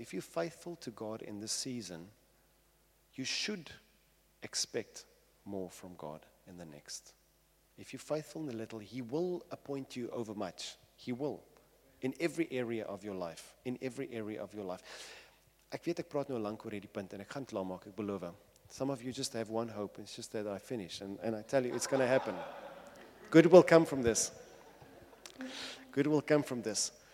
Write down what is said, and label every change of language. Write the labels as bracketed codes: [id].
[en] If you're faithful to God in this season, you should expect more from God in the next. If you're faithful in the little, He will appoint you over much. He will. In every area of your life. In every area of your life. [af] Ek weet ek praat nou lank oor hierdie punt en ek gaan klaar maak, ek beloof. [en] Some of you just have one hope. It's just that I finish. And I tell you, it's going to happen. Good will come from this. Good will come from this.